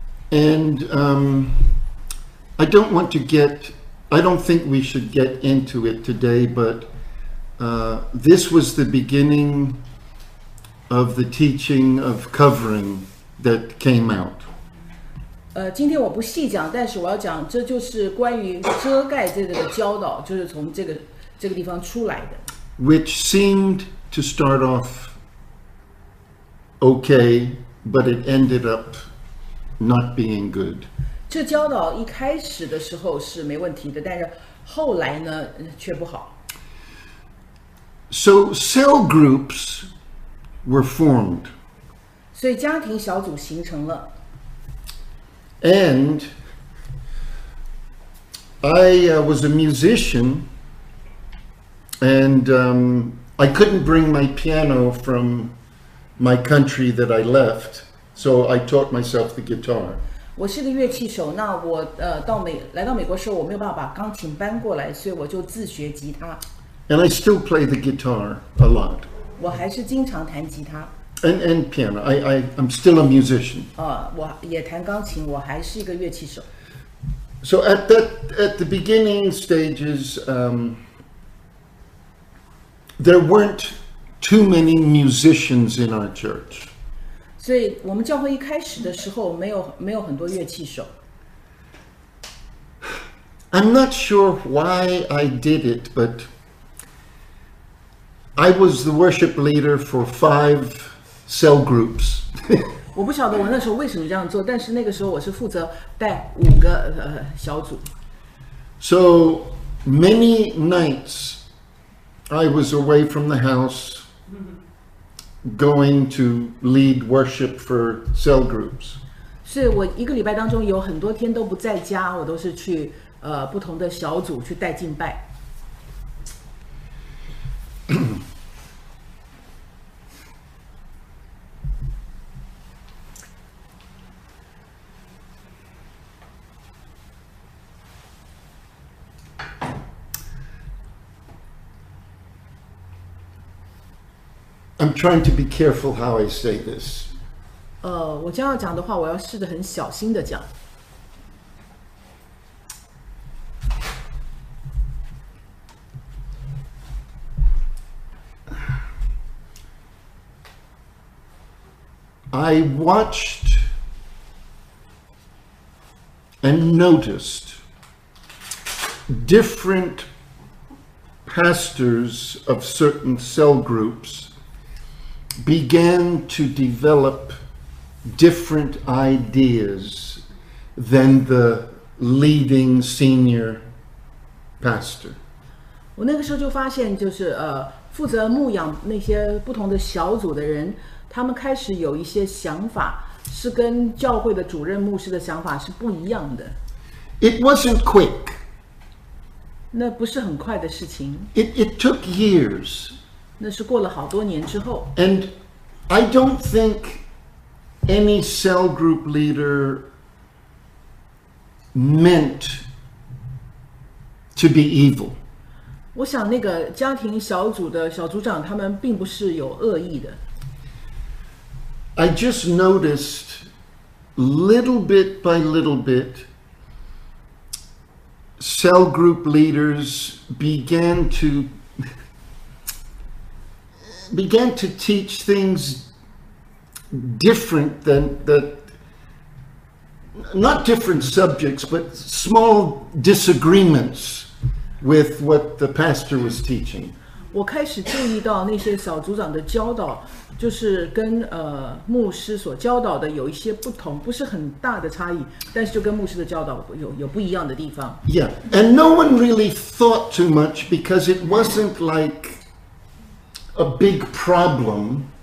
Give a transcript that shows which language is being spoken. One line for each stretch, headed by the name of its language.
English: And I don't want to get, I don't think we should get into it today, but this was the beginning of the teaching of covering that came out.
Chinese: 今天我不细讲，但是我要讲，这就是关于遮盖这个的教导，就是从这个地方出来的。
English: Which seemed to start off okay, but it ended up not being good.
Chinese: 这教导一开始的时候是没问题的，但是后来呢，却不好。
English: So cell groups were formed.
Chinese: 所以家庭小组形成了。
English: And I was a musician, and I couldn't bring my piano from my country that I left, so I taught myself the guitar.
Chinese: 我是个乐器手，那我来到美国时候，我没有办法把钢琴搬过来，所以我就自学吉他。
English: And I still play the guitar a lot.
Chinese: 我还是经常弹吉他。
English: And piano. I'm still a musician.
Chinese: 我也弹钢琴，我还是一个乐器手。
English: So at the beginning stages, there weren't too many musicians in our church.
Chinese: 所以我们教会一开始的时候没有很多乐器手。
English: I'm not sure why I did it, but I was the worship leader for 5 cell groups.
Chinese: 我不晓得我那时候为什么这样做，但是那个时候我是负责带五个小组。
English: So many nights I was away from the house going to lead worship for cell groups.
Chinese: 所以我一个礼拜当中有很多天都不在家，我都是去不同的小组去带敬拜。
English: I'm trying to be careful how I say this.
Chinese: 我将要讲的话，我要试着很小心的讲。
English: I watched and noticed different pastors of certain cell groups began to develop different ideas than the leading senior pastor.
Chinese: 我那个时候就发现，就是负责牧养那些不同的小组的人，他们开始有一些想法，是跟教会的主任牧师的想法是不一样的。
English: It wasn't quick.
Chinese: 那不是很快的事情。
English: It took years.
Chinese: 那是过了好多年之后。
English: And I don't think any cell group leader meant to be evil.
Chinese: 我想那个家庭小组的小组长他们并不是有恶意的。
English: I just noticed little bit by little bit cell group leaders began to teach things different than that, not different subjects, but small disagreements with what the pastor was teaching.
Chinese: 我开始注意到那些小组长的教导，就是跟牧师所教导的有一些不同，不是很大的差异，但是就跟牧师的教导有不一样的地方。
English: Yeah, and no one really thought too much because it wasn't like a big problem.